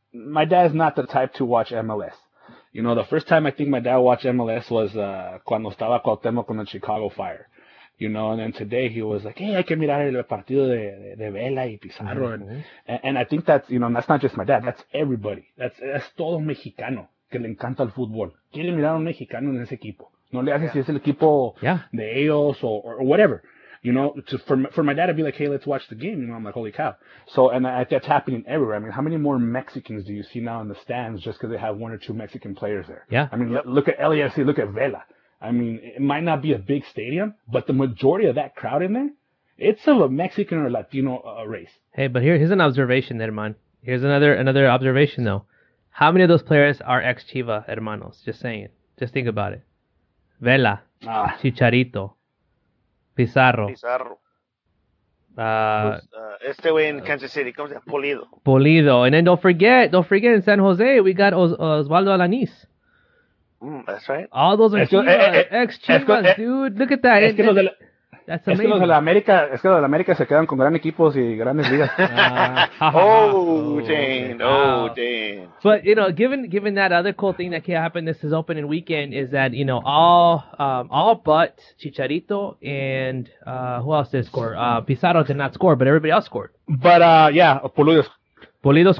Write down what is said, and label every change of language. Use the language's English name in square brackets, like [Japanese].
[English] My dad's not the type to watch MLS. You know, the first time I think my dad watched MLS was [Spanish] cuando estaba Cuauhtémoc con [English] the Chicago Fire. You know, and then today he was like, hey, [Spanish] hay que mirar el partido de Vela y Pizarro. [English] Mm-hmm. And I think that's, that's not just my dad. That's everybody. That's [Spanish] todo mexicano que le encanta el fútbol. Quiere mirar a un mexicano en ese equipo. No le hace si es el equipo de ellos [English] or whatever. You know, for my dad, I'd be like, hey, let's watch the game. You know, I'm like, holy cow. So, and that's happening everywhere. I mean, how many more Mexicans do you see now in the stands just because they have one or two Mexican players there? Yeah. I mean, look at LAFC, look at Vela. I mean, it might not be a big stadium, but the majority of that crowd in there, it's of a Mexican or Latino race. Hey, but here's an observation, Herman. Here's another observation, though. How many of those players are ex-Chiva hermanos? Just saying. Just think about it. Vela. Ah. Chicharito. Pizarro. Este way in Kansas City. Comes at Pulido. Pulido. And then don't forget, in San Jose, we got Osvaldo Alanis. Mm, that's right. All those are ex-Chivas, dude. Look at that. That's amazing. [Spanish] Es que los de América se quedan con grandes equipos y grandes ligas. [English] Oh, dang. But, given that other cool thing that can happen, this is opening weekend, is that, all but Chicharito and who else did score? Pizarro did not score, but everybody else scored. But, Pulido